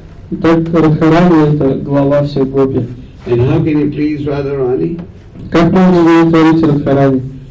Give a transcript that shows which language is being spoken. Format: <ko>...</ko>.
<ru>Итак, Радхарани – это глава всей Гопи.</ru> <en>And how can you please Radharani?</en> <ru>Как можно удовлетворить Радхарани?</ru>